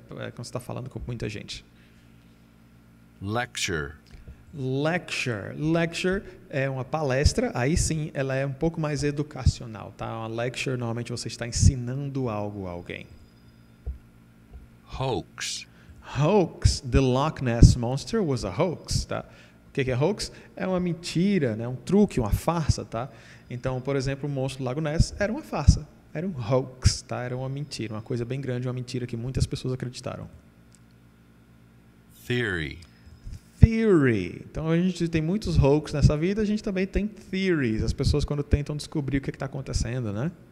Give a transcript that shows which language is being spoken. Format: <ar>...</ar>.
<pt>Quando você está falando com muita gente.</pt> <en>Lecture. Lecture.</en> <pt>Lecture é uma palestra, aí sim, ela é um pouco mais educacional, tá? Uma lecture, normalmente, você está ensinando algo a alguém.</pt> <en>Hoax. Hoax. The Loch Ness Monster was a hoax,</en> <pt>tá? O que é hoax? É uma mentira, né? Um truque, uma farsa, tá? Então, por exemplo, o monstro do Lago Ness era uma farsa. era um hoax, tá? Era uma mentira, uma coisa bem grande, uma mentira que muitas pessoas acreditaram.</pt> <en>Theory. Theory.</en> <pt>Então, a gente tem muitos hoax nessa vida, a gente também tem theories, as pessoas quando tentam descobrir o que está acontecendo, né?</pt>